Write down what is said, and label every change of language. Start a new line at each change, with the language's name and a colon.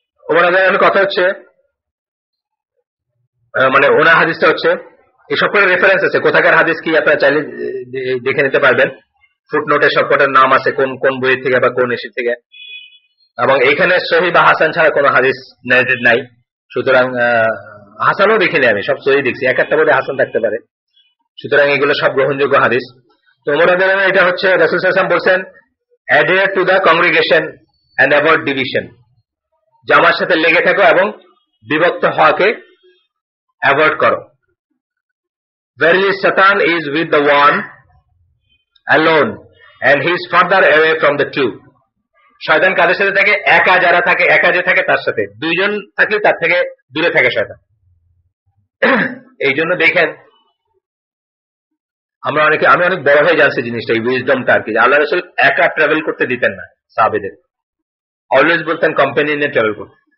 Bangla: উমর রাদিয়াল্লাহু কথা হচ্ছে মানে ওনার হাদিসটা হচ্ছে, এই সকলের রেফারেন্স আছে কোথাকার হাদিস কি আপনারা চাইলে দেখে নিতে পারবেন, ফুটনোটে সবকটার নাম আছে কোন কোন বই থেকে বা কোন এসে থেকে, এবং এখানে সহিহ বা হাসান ছাড়া কোনো হাদিস নারেটেড নাই, সুতরাং হাসানও দেখিনি আমি, সব সহিহ দেখছি, এক একটা বলে হাসান থাকতে পারে, সুতরাং এগুলো সব গ্রহণযোগ্য হাদিস। তো ওমর রাদিয়াল্লাহু এটা হচ্ছে রাসূল সাল্লাল্লাহু আলাইহি ওয়াসাল্লাম বলছেন,
English: adhere to the congregation and avoid division,
Bangla: জামার সাথে লেগে থাকো এবং বিভক্ত হওয়াকে অ্যাভয়েড করো।
English: Verily Satan is with the one alone and he is further away from the two.
Bangla: শয়তান কাদের সাথে থাকে? একা যারা থাকে, একা যে থাকে তার সাথে, দুইজন থাকলে তার থেকে দূরে থাকে শয়তান। এই জন্য দেখেন আমরা অনেকে, আমি অনেক বড় হয়ে জানছি জিনিসটা, এই উইজডমটা আর কি, আল্লাহ রাসূল একা ট্রাভেল করতে দিতেন না সাহাবীদের, অলওয়েজ বলতেন কোম্পানি নিয়ে ট্রাভেল করতে।